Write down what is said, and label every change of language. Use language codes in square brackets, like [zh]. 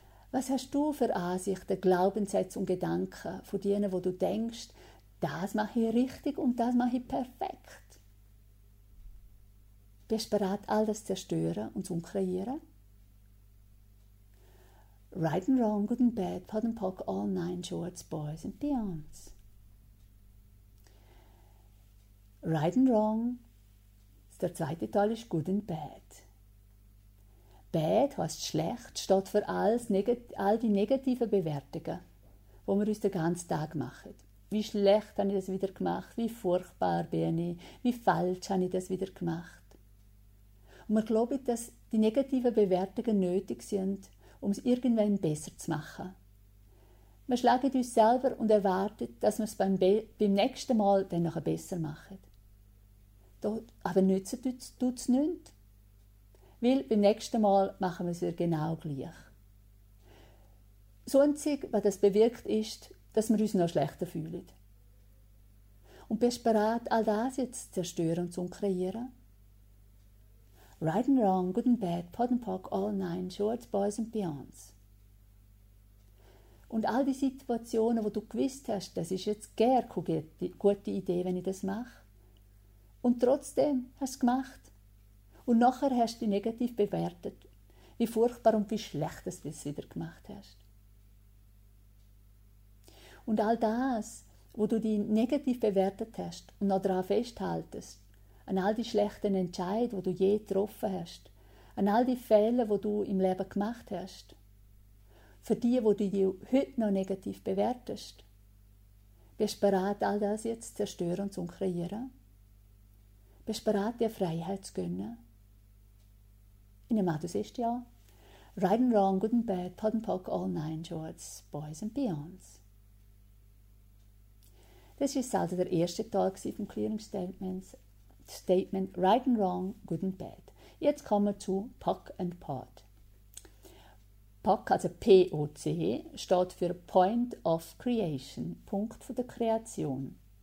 [de] Was hast du für Ansichten, Glaubenssätze und Gedanken von denen, wo du denkst, das mache ich richtig und das mache ich perfekt? Bist du bereit, alles zu zerstören und zu kreieren? [en] Right and wrong, good and bad, pot and pock, all nine shorts, boys and peons. Right and wrong, [de] der zweite Teil ist [en] good and bad. [de] Bad heißt schlecht, steht für all die negativen Bewertungen, die wir uns den ganzen Tag machen. Wie schlecht habe ich das wieder gemacht? Wie furchtbar bin ich? Wie falsch habe ich das wieder gemacht? Und wir glauben, dass die negativen Bewertungen nötig sind, um es irgendwann besser zu machen. Wir schlagen uns selber und erwarten, dass wir es beim nächsten Mal dann noch besser machen. Aber nützen tut es nichts. Weil beim nächsten Mal machen wir es wieder genau gleich. Das Einzige, was das bewirkt, ist, dass wir uns noch schlechter fühlen. Und bist du bereit, all das jetzt zu zerstören und zu kreieren? [en] Right and wrong, good and bad, pot and pock, all nine, shorts, boys and peons. [de] Und all die Situationen, wo du gewusst hast, das ist jetzt gern eine gute Idee, wenn ich das mache. Und trotzdem hast du es gemacht. Und nachher hast du dich negativ bewertet, wie furchtbar und wie schlecht du es wieder gemacht hast. Und all das, wo du dich negativ bewertet hast und noch daran festhaltest, an all die schlechten Entscheidungen, die du je getroffen hast, an all die Fehler, die du im Leben gemacht hast, für die, wo du dich heute noch negativ bewertest, bist du bereit, all das jetzt zu zerstören und zu kreieren? Bist du bereit, dir Freiheit zu gönnen? Ich nehme an, du siehst ja. [en] Right and wrong, good and bad, pot and pock, all nine shorts, boys and peons. [de] Das war also der erste Teil des Clearing Statements. Statement [en] Right and Wrong, Good and Bad. [de] Jetzt kommen wir zu POC and POT. POC, also POC, steht für Point of Creation, Punkt der Kreation.